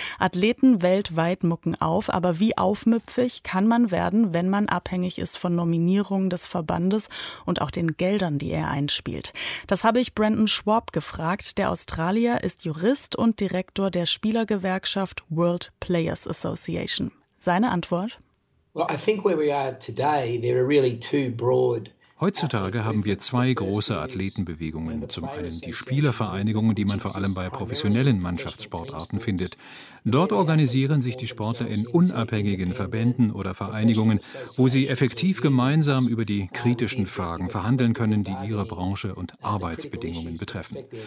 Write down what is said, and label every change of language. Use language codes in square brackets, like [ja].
[de] Athleten weltweit mucken auf, aber wie aufmüpfig kann man werden, wenn man abhängig ist von Nominierungen des Verbandes und auch den Geldern, die er einspielt. Das habe ich Brandon Schwab gefragt. Der Australier ist Jurist und Direktor der Spielergewerkschaft World Players Association. Seine Antwort? [en] Well, I think where we are today, there are really two broad. [de] Heutzutage haben wir zwei große Athletenbewegungen. Zum einen die Spielervereinigungen, die man vor allem bei professionellen Mannschaftssportarten findet. Dort organisieren sich die Sportler in unabhängigen Verbänden oder Vereinigungen, wo sie effektiv gemeinsam über die kritischen Fragen verhandeln können, die ihre Branche und Arbeitsbedingungen betreffen.